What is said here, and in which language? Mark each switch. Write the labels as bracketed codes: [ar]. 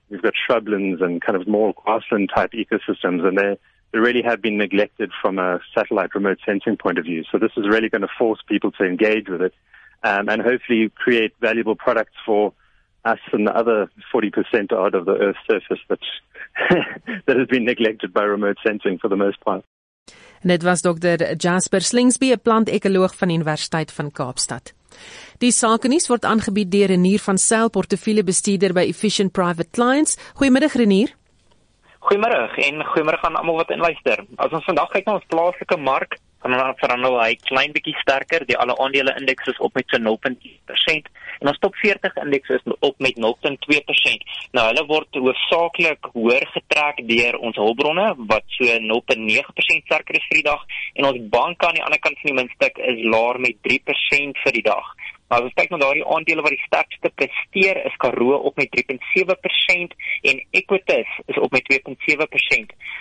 [en] We've got shrublands and kind of more grassland type ecosystems, and they really have been neglected from a satellite remote sensing point of view. So this is really going to force people to engage with it and hopefully create valuable products for us and the other 40% odd of the Earth's surface that that has been neglected by remote sensing for the most part. [af] En dit was Dr. Jasper Slingsby, 'n plantekoloog van die Universiteit van Kaapstad. Die sake nuus word aangebied deur Renier van Sail, portefeuljebestuurder by Efficient Private Clients. Goeiemiddag Renier. Goeiemiddag en goeiemiddag aan almal wat inluister. As ons vandag kyk na ons plaaslike mark, dan verhandel hy klein bietjie sterker. Die alle aandele indeks is op met so 0.1% en ons top 40 indeks is op met 0.2%. Nou hulle word hoofsaaklik hoër getrek deur ons hulpbronne wat so 0.9% sterker is vir die dag en ons bank aan die ander kant van die muntstuk is laer met 3% vir die dag. Maar as ons kyk na daardie aandele wat die sterkste presteer, is Karoo op met 3.7% en Equites is op met 2.7%.